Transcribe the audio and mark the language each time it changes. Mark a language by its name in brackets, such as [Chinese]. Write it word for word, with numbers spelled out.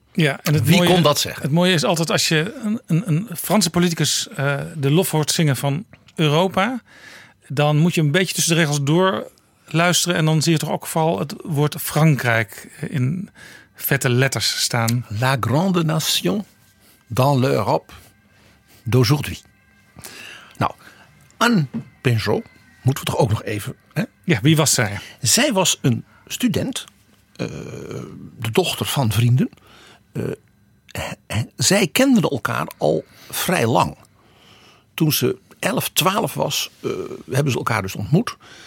[Dutch] Ja, en het Wie mooie, kon dat zeggen? Het mooie is altijd als je een, een, een Franse politicus uh, de lof hoort zingen van Europa. Dan moet je een beetje tussen de regels door luisteren. En dan zie je toch ook vooral het woord Frankrijk in vette letters staan. [French] La grande nation dans l'Europe d'aujourd'hui. [Dutch] Nou, Anne Pinchot, moeten we toch ook nog even... Hè? Ja, wie was zij? Zij was een student, uh, de dochter van vrienden. Uh, zij kenden elkaar al vrij lang. Toen ze elf, twaalf was, uh, hebben ze elkaar dus ontmoet.